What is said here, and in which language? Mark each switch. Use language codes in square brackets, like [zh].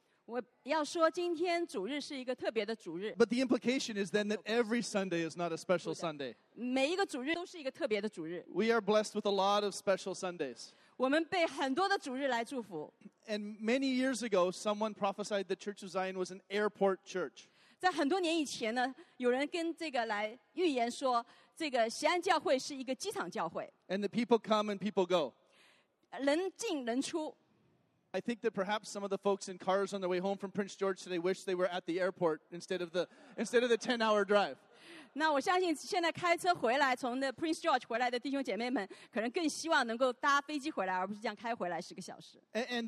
[zh] 我要说今天主日是一个特别的主日。 [en] But the implication is then that every Sunday is not a special Sunday. [zh] 每一个主日都是一个特别的主日。 [en] We are blessed with a lot of special Sundays. [zh] 我们被很多的主日来祝福。 [en] And many years ago, someone prophesied the Church of Zion was an airport church. [zh] 在很多年以前呢, 有人跟这个来预言说, 这个锡安教会是一个机场教会。 [en] And the people come and people go. [zh] 人进人出。 [en] I think that perhaps some of the folks in cars on their way home from Prince George today wish they were at the airport instead of the 10-hour drive. [zh] 那我相信现在开车回来，从那Prince George回来的弟兄姐妹们，可能更希望能够搭飞机回来，而不是这样开回来十个小时。And